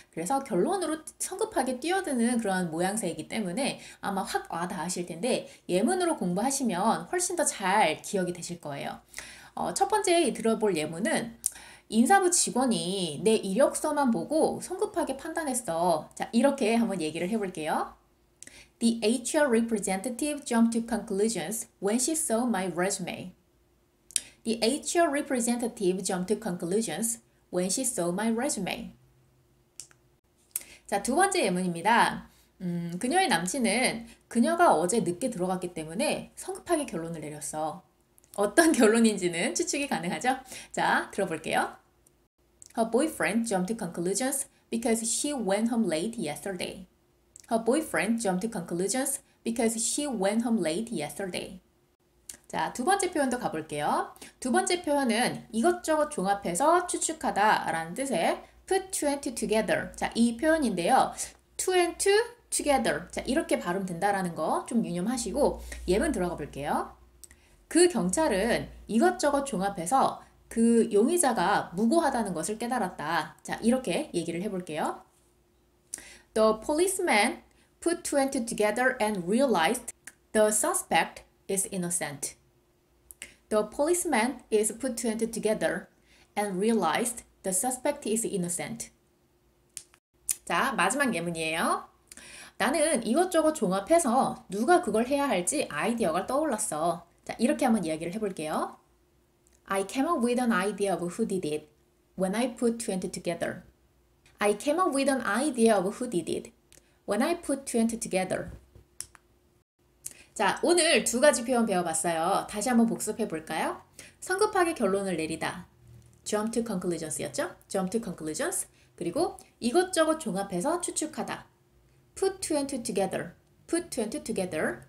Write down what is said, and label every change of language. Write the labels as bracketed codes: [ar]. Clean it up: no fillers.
[ko] 그래서 결론으로 성급하게 뛰어드는 그런 모양새이기 때문에 아마 확와 닿으실 텐데, 예문으로 공부하시면 훨씬 더잘 기억이 되실 거예요. 첫 번째 들어볼 예문은, 인사부 직원이 내 이력서만 보고 성급하게 판단했어. 자, 이렇게 한번 얘기를 해볼게요. [en] The HR representative jumped to conclusions when she saw my resume. The HR representative jumped to conclusions when she saw my resume. [ko] 자, 두 번째 예문입니다. 그녀의 남친은 그녀가 어제 늦게 들어갔기 때문에 성급하게 결론을 내렸어. 어떤 결론인지는 추측이 가능하죠? 자, 들어볼게요. [en] Her boyfriend jumped to conclusions because she went home late yesterday. Her boyfriend jumped to conclusions because she went home late yesterday. [ko] 자, 두 번째 표현도 가볼게요. 두 번째 표현은 이것저것 종합해서 추측하다라는 뜻의 [en] put two and two together. [ko] 자, 이 표현인데요. [en] two and two together. [ko] 자, 이렇게 발음 된다라는 거좀 유념하시고 예문 들어가 볼게요. 그 경찰은 이것저것 종합해서 그 용의자가 무고하다는 것을 깨달았다. 자, 이렇게 얘기를 해볼게요. [en] The policeman put two and two together and realized the suspect is innocent. The policeman is put two and two together and realized the suspect is innocent. [ko] 자, 마지막 예문이에요. 나는 이것저것 종합해서 누가 그걸 해야 할지 아이디어가 떠올랐어. 자, 이렇게 한번 이야기를 해볼게요. [en] I came up with an idea of who did it when I put two and two together. I came up with an idea of who did it. When I put two and two together. [ko] 자, 오늘 두 가지 표현 배워봤어요. 다시 한번 복습해 볼까요? 성급하게 결론을 내리다. [en] Jump to conclusions였죠? Jump to conclusions. [ko] 그리고 이것저것 종합해서 추측하다. [en] Put two and two together. Put two and two together.